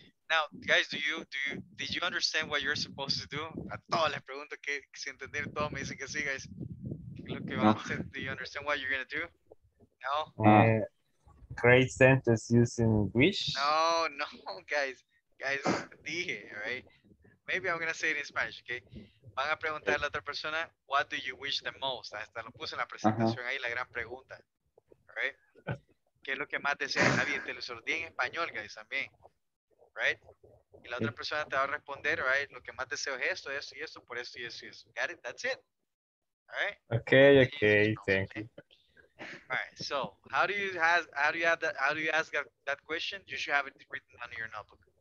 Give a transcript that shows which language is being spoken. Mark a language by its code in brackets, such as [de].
[en] Now, guys, did you understand what you're supposed to do? [es] A todos les pregunto que si entendieron todo, me dicen que sí, guys. [en] Look, no. Do you understand what you're gonna do? No. Create sentence using wish. No, guys, dije, right? Maybe I'm gonna say it in Spanish, okay? [es] Van a preguntar a la otra persona, [en] what do you wish the most? [es] Hasta lo puse en la presentación ahí, la gran pregunta, right? ¿Qué es lo que más desea? Nadie te lo sordí en español, guys, también. Right? Y la otra persona te va a responder, right? Lo que más deseo es esto, esto y esto, por esto y esto y eso. [en] Got it? That's it. Alright. Okay, okay, thank you. Alright, so how do you ask that question? You should have it written on your notebook.